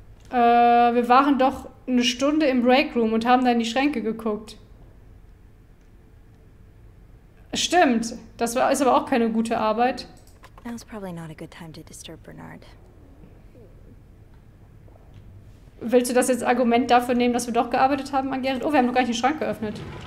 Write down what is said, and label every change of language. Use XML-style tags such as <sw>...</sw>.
<de>Wir waren doch eine Stunde im Break Room und haben da in die Schränke geguckt. Stimmt, das war, ist aber auch keine gute Arbeit.</de> <en>Now is probably not a good time to disturb Bernard.</en> <de>Willst du das jetzt Argument dafür nehmen, dass wir doch gearbeitet haben an Gerrit? Oh, wir haben noch gar nicht den Schrank geöffnet.</de>